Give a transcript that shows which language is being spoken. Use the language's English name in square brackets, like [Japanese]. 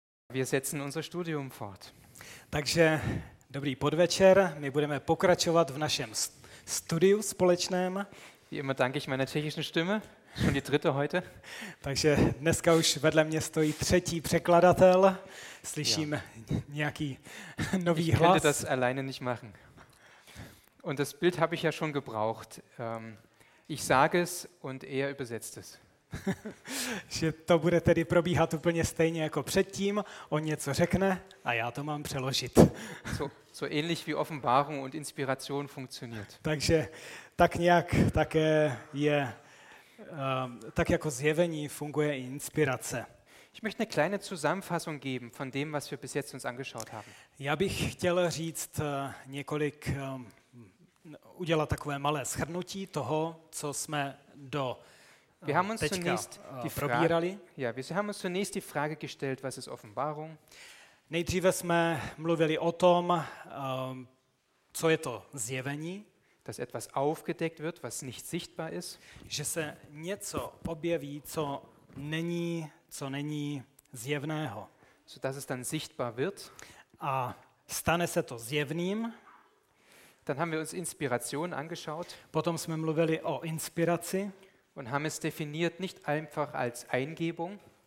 [German] wir setzen unser Studium fort. [Czech] Takže dobrý podvečer, my budeme pokračovat v našem studiu společném. [German] Wie immer danke ich meiner tschechischen Stimme, schon die dritte heute. [Czech] Takže dneska už vedle mě stojí třetí překladatel, slyším ja. Nějaký nový [German] ich [Czech] hlas. [German] Ich könnte das alleine nicht machen. Und das Bild habe ich ja schon gebraucht. Ich sage es und er übersetzt es. [Czech] Že to bude tedy probíhat úplně stejně jako předtím, on něco řekne a já to mám přeložit. [German] So ähnlich wie Offenbarung und Inspiration funktioniert. [Czech] Takže tak nějak také je, tak jako zjevení funguje i inspirace. [German] Ich möchte eine kleine Zusammenfassung geben von dem, was wir bis jetzt uns angeschaut haben. [Czech] Já bych chtěl říct několik, udělat takové malé shrnutí toho, co jsme do [German] Wir haben uns zunächst die Frage, ja, wir haben uns zunächst die Frage gestellt, was ist Offenbarung? [Czech] Nejdříve jsme mluvili o tom, co je to zjevení, [German] dass etwas aufgedeckt wird, was nicht sichtbar ist, [Czech] že se něco objeví, co není zjevného, [German] so dass es dann sichtbar wird. [Czech] A stane se to zjevným. [German] Dann haben wir uns Inspiration angeschaut. [Czech] Potom jsme mluvili o inspiraci. [German] Und haben es definiert nicht einfach als Eingebung.